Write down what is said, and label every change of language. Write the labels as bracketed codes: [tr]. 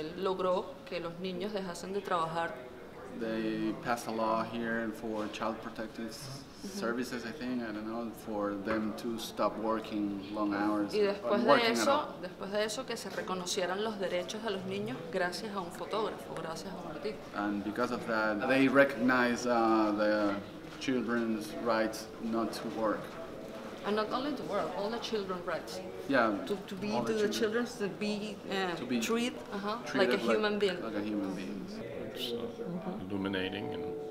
[es] Él logró que los niños dejasen de trabajar. [en] They passed a law here for child protective services, I think, I don't know, for them to stop working long hours. [es] Y después de eso, que se reconocieran los derechos de los niños gracias a un fotógrafo, gracias a un artista. [en] And because of that, they recognize the children's rights not to work. And not only to work, all the children's rights. Yeah. To be to the children, to be, to be treat, treated like a human being. Like a human being. It's illuminating. And